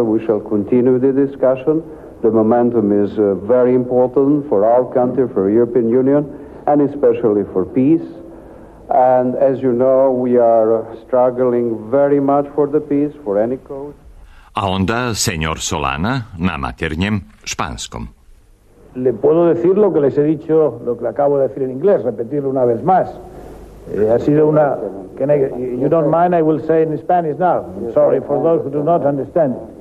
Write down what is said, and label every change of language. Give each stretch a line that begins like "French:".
English: We shall continue the discussion. The momentum is very important for our country, for European Union, and especially for peace. And as you know, we are struggling very much for the peace, for any cause.
Serbian: A onda, señor Solana, na maternjem španskom.
Spanish: Le puedo decir lo que les he dicho, lo que acabo de decir en inglés, repetirlo una vez más. Ha sido una...
English: You don't mind, I will say in Spanish now. I'm sorry for those who do not understand.